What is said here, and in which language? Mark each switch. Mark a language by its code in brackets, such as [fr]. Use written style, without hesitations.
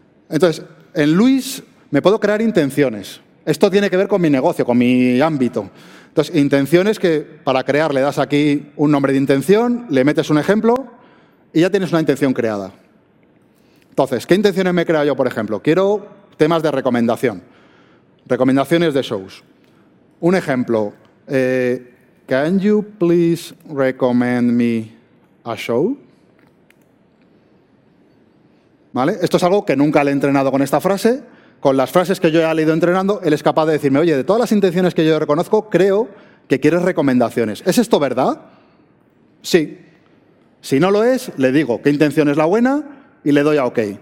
[es] Entonces, en Luis me puedo crear intenciones. Esto tiene que ver con mi negocio, con mi ámbito. Entonces, intenciones que para crear le das aquí un nombre de intención, le metes un ejemplo y ya tienes una intención creada. Entonces, ¿qué intenciones me he creado yo, por ejemplo? Quiero temas de recomendación. Recomendaciones de shows. Un ejemplo. [en] Can you please recommend me a show? [es] ¿Vale? Esto es algo que nunca le he entrenado con esta frase. Con las frases que yo he leído entrenando, él es capaz de decirme, oye, de todas las intenciones que yo reconozco, creo que quieres recomendaciones. ¿Es esto verdad? Sí. Si no lo es, le digo qué intención es la buena y le doy a OK.